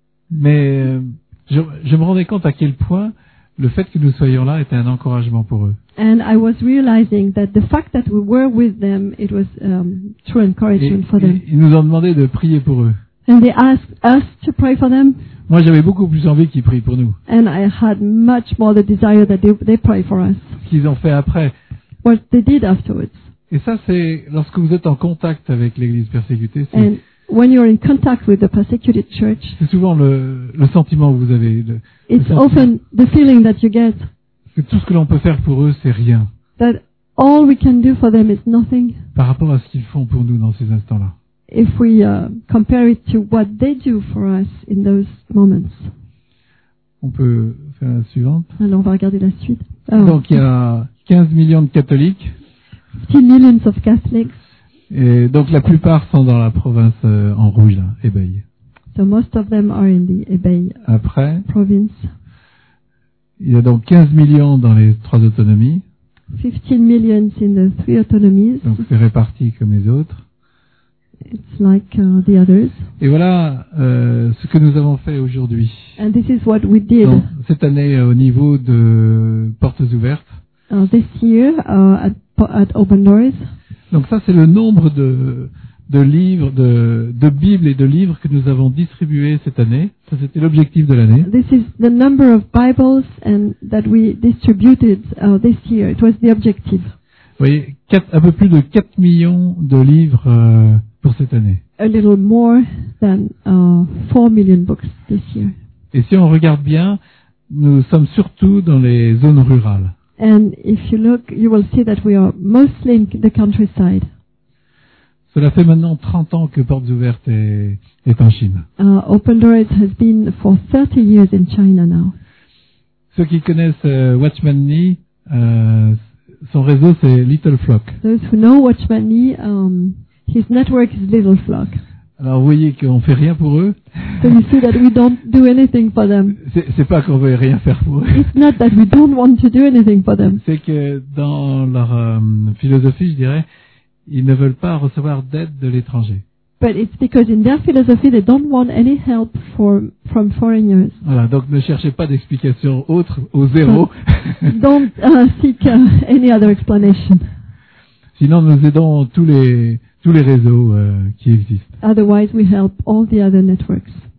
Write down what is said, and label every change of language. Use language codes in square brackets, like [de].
[fr] Mais, je me rendais compte à quel point le fait que nous soyons là était un encouragement pour eux. [en] And I was realizing that the fact that we were with them, it was true encouragement et, for them. [fr] Ils nous ont demandé de prier pour eux. [en] And they asked us to pray for them. [fr] Moi, j'avais beaucoup plus envie qu'ils prient pour nous. [en] And I had much more the desire that they pray for us. [fr] Ce qu'ils ont fait après. [en] What they did afterwards. [fr] Et ça, c'est lorsque vous êtes en contact avec l'Église persécutée. [en] When you're in contact with the persecuted church, [fr] c'est souvent le sentiment que vous avez. [en] It's often the feeling that you get. [fr] Que tout ce que l'on peut faire pour eux, c'est rien. [en] That all we can do for them is nothing. [fr] Par rapport à ce qu'ils font pour nous dans ces instants-là. [en] If we compare it to what they do for us in those moments. [fr] On peut faire la suivante. Alors on va regarder la suite. Oh. Donc il y a 15 millions de catholiques. [en] 15 millions of Catholics. [fr] Et donc la plupart sont dans la province en rouge, là, Hebei. [en] So most of them are in the Hebei Après, province. [fr] Il y a donc 15 millions dans les trois autonomies. [en] 15 millions in the three autonomies. [fr] Donc c'est réparti comme les autres. [en] It's like the others. [fr] Et voilà ce que nous avons fait aujourd'hui. [en] And this is what we did. [fr] Donc, cette année au niveau de Portes Ouvertes. [en] This year at Open Doors. [fr] Donc ça c'est le nombre de livres, de Bibles et de livres que nous avons distribués cette année. Ça c'était l'objectif de l'année. [en] This is the number of Bibles and that we distributed this year. It was the objective. [fr] Oui, un peu plus de 4 millions de livres pour cette année. [en] A little more than 4 million books this year. [fr] Et si on regarde bien, nous sommes surtout dans les zones rurales. [en] And if you look, you will see that we are mostly in the countryside. [fr] Cela fait maintenant 30 ans que Portes Ouvertes est en Chine. [en] Open Doors has been for 30 years in China now. [fr] Ceux qui connaissent Watchman Nee, son réseau c'est Little Flock. [en] Those who know Watchman Nee, his network is Little Flock. [fr] Alors vous voyez qu'on fait rien pour eux. [en] So you see that we don't do anything for them. [fr] C'est pas qu'on veut rien faire pour eux. [en] It's not that we don't want to do anything for them. [fr] C'est que dans leur philosophie, je dirais, ils ne veulent pas recevoir d'aide de l'étranger. [en] But it's because in their philosophy they don't want any help from foreigners. [fr] Voilà, donc ne cherchez pas d'explication autre au zéro. [en] But don't seek any other explanation. [fr] Sinon nous aidons tous les réseaux qui existent. [en] Otherwise we help all the other networks.